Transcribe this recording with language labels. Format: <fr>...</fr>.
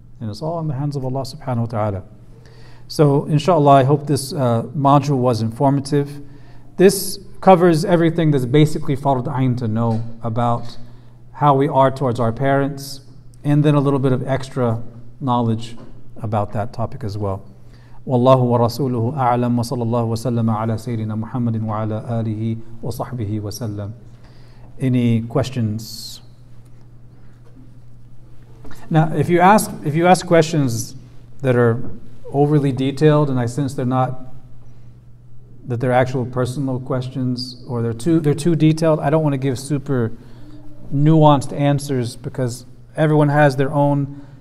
<en>And it's all in the hands of Allah subhanahu wa ta'ala. So inshallah, I hope this module was informative. This covers everything that's basically fard ain to know about how we are towards our parents, and then a little bit of extra knowledge about that topic as well.</en> <ar>والله ورسوله أعلم وصلى الله وسلم على سيدنا محمد وعلى آله وصحبه وسلم.</ar> <en>Any questions? Now, if you ask questions that are overly detailed, and I sense they're not, that they're actual personal questions, or they're too detailed, I don't want to give super nuanced answers, because everyone has their own</en>